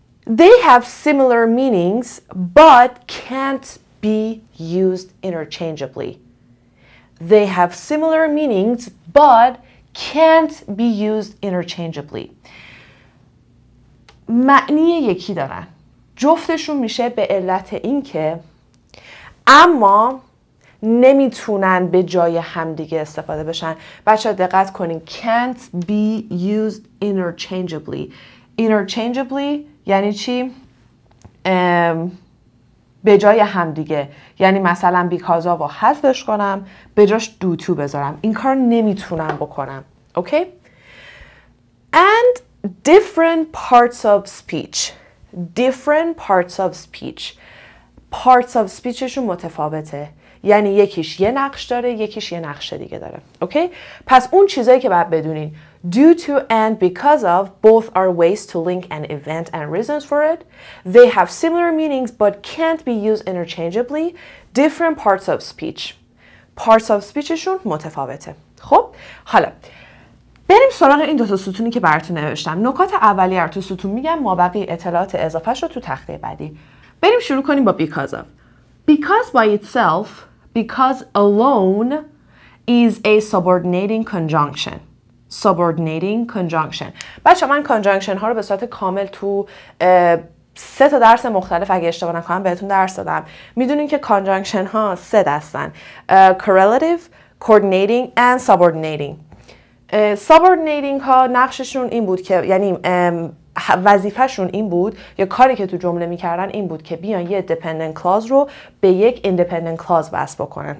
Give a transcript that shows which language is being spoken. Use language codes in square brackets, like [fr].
[en] They have similar meanings, but can't be used interchangeably. They have similar meanings, but can't be used interchangeably. [fa] معنی یکی دارن. جفتشون میشه به علت اینکه، اما نمیتونن به جای همدیگه استفاده بشن. بچه ها دقت کنین. [en] Can't be used interchangeably. [fa] Interchangeably یعنی چی؟ به جای هم دیگه، یعنی مثلا because of رو حذفش کنم به جاش due to بذارم، این کار نمیتونم بکنم. [en] Okay? And different parts of speech. Different parts of speech. [fa] Parts of speechشون متفاوته، یعنی یکیش یه نقش داره، یکیش یه نقش دیگه داره. اوکی؟ پس اون چیزایی که باید بدونین، [en] Due to and because of both are ways to link an event and reasons for it. They have similar meanings but can't be used interchangeably. Different parts of speech. Parts of speechشون [fa] متفاوته. خب حالا بریم سراغ این دو تا ستونی که براتون نوشتم. نکات اولی رو تو ستون میگم، مابقی اطلاعات اضافه‌اش رو تو تخته بعدی. بریم شروع کنیم با because of. [en] Because by itself, because alone is a subordinating conjunction. Subordinating conjunction. [fa] بچه من conjunction ها رو به صورت کامل تو سه تا درس مختلف اگه اشتباه نکنم بهتون درس دادم. میدونین که کانجانکشن ها سه دستن: correlative, coordinating and subordinating. Subordinating ها نقششون این بود که یعنی وظیفه‌شون این بود یا کاری که تو جمله می‌کردن این بود که بیان یه dependent clause رو به یک independent clause وصل بکنن.